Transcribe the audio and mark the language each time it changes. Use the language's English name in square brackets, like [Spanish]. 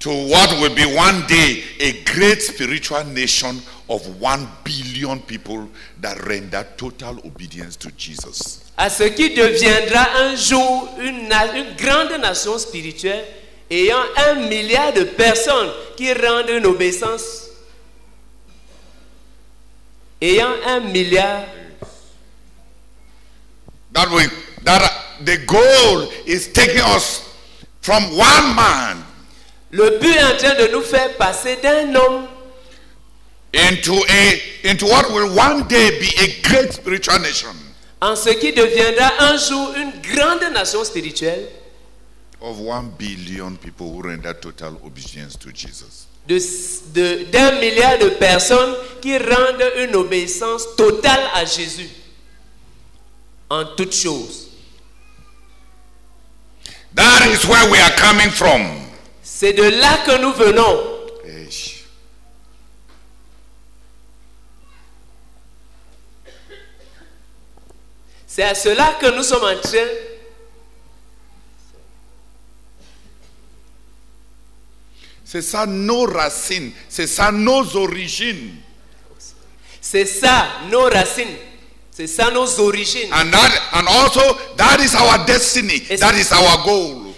[English] to what will be one day a great spiritual nation of 1 billion people that render total obedience to Jesus. [French] À ce qui deviendra un jour une grande nation spirituelle ayant 1 milliard de personnes qui rendent une obéissance. Ayant 1 milliard. [English] That way, that the goal is taking us from one man. [French] Le but est en train de nous faire passer d'un homme [English] into what will one day be a great spiritual nation. [French] En ce qui deviendra un jour une grande nation spirituelle. [English] Of 1 billion people who render total obedience to Jesus. [French] D'un milliard de personnes qui rendent une obéissance totale à Jésus en toutes choses. [English] That is where we are coming from. [French] C'est de là que nous venons. Hey. C'est à cela que nous sommes en train. C'est ça nos racines, c'est ça nos origines. C'est ça nos racines, c'est ça nos origines. [English] And also that is our destiny, that is our goal.